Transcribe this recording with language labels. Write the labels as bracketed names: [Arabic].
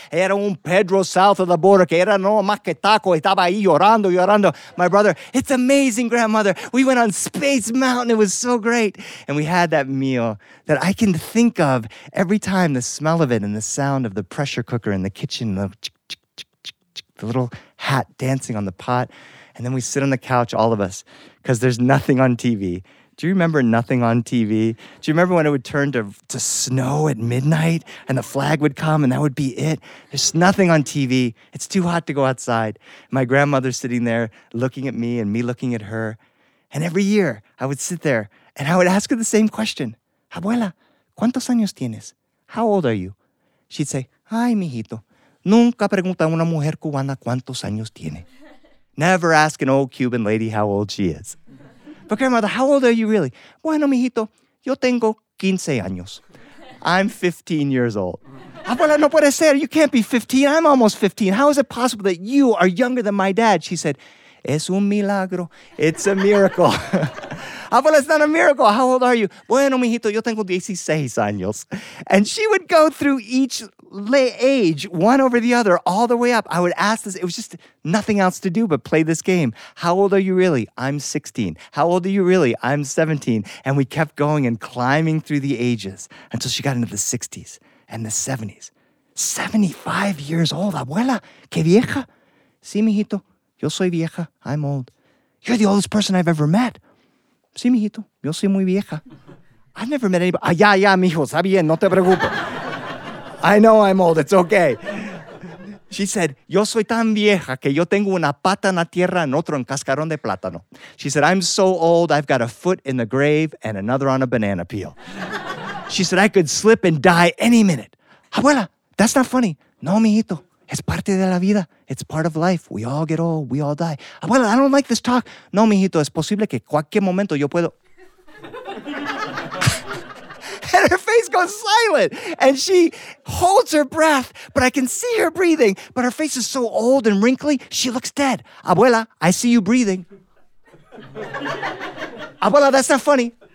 [Spanish] Era un Pedro [English] south of the border [Spanish] que era no más que taco. Estaba ahí llorando, llorando. [English] My brother, it's amazing, grandmother. We went on Space Mountain. It was so great. And we had that meal that I can think of every time, the smell of it and the sound of the pressure cooker in the kitchen, the little hat dancing on the pot. And then we sit on the couch, all of us, because there's nothing on TV. Do you remember nothing on TV? Do you remember when it would turn to snow at midnight and the flag would come and that would be it? There's nothing on TV. It's too hot to go outside. My grandmother sitting there looking at me and me looking at her. And every year I would sit there and I would ask her the same question. [Spanish] Abuela, ¿cuántos años tienes? How old are you? She'd say, ay, mijito, nunca pregunta a una mujer cubana cuántos años tiene. [English] Never ask an old Cuban lady how old she is. But grandmother, how old are you really? [Spanish] Bueno, mijito, yo tengo 15 años. [English] I'm 15 years old. Abuela, [Spanish] no puede ser. [English] You can't be 15. I'm almost 15. How is it possible that you are younger than my dad? She said, [Spanish] es un milagro. [English] It's a miracle. Abuela, it's not a miracle. How old are you? [Spanish] Bueno, mijito, yo tengo 16 años. [English] And she would go through each age, one over the other, all the way up. I would ask this. It was just nothing else to do but play this game. How old are you really? I'm 16. How old are you really? I'm 17. And we kept going and climbing through the ages until she got into the 60s and the 70s. 75 years old. [Spanish] Abuela, qué vieja. Sí, mijito. Yo soy vieja. [English] I'm old. You're the oldest person I've ever met. [Spanish] Sí, mijito. Yo soy muy vieja. [English] I've never met anybody. [Spanish] Ah, ya, mijo. Está bien. No te preocupes. [English] I know I'm old. It's okay. She said, [Spanish] yo soy tan vieja que yo tengo una pata en la tierra en otro en cascarón de plátano. [English] She said, I'm so old, I've got a foot in the grave and another on a banana peel. She said, I could slip and die any minute. Abuela, that's not funny. [Spanish] No, mijito. Es parte de la vida. [English] It's part of life. We all get old. We all die. Abuela, I don't like this talk. [Spanish] No, mijito. Es posible que cualquier momento yo puedo... [English] And her face goes silent and she holds her breath, but I can see her breathing, but her face is so old and wrinkly, she looks dead. Abuela, I see you breathing. Abuela, that's not funny.